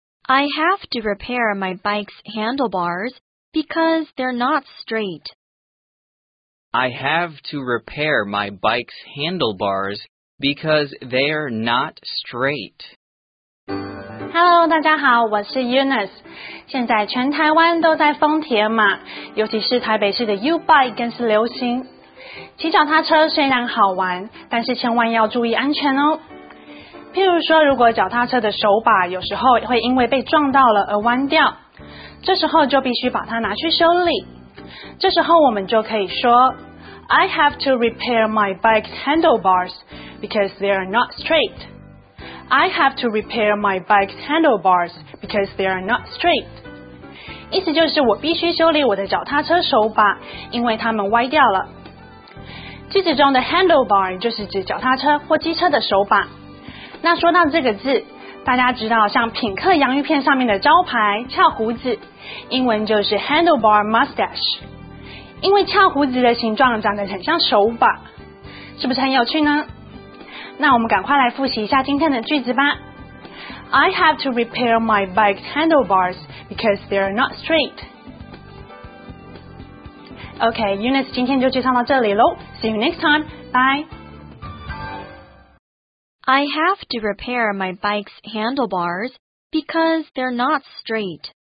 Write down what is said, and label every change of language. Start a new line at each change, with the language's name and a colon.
English: I have to repair my bike's handlebars because they're not straight. I have to repair my bike's handlebars because they're not straight.
Chinese: Hello, 大家好，我是 Eunice。现在全台湾都在封铁马，尤其是台北市的 U-Bike 更是流行。骑脚踏车虽然好玩，但是千万要注意安全哦。譬如说，如果脚踏车的手把有时候会因为被撞到了而弯掉，这时候就必须把它拿去修理。这时候我们就可以说
English: I have to repair my bike's handlebars because they are not straight. I have to repair my bike's handlebars because they are not straight.
Chinese: 意思就是我必须修理我的脚踏车手把，因为它们歪掉了。句子中的 handlebar 就是指脚踏车或机车的手把。那说到这个字，大家知道像品客洋芋片上面的招牌翘胡子，英文就是 handlebar mustache。因为翘胡子的形状长得很像手把，是不是很有趣呢？那我们赶快来复习一下今天的句子吧。
English: I have to repair my bike's handlebars because they're not straight.
Chinese: Okay, Eunice 今天就介绍到这里咯。
English: See you next time. Bye. I have to repair my bike's handlebars because they're not straight.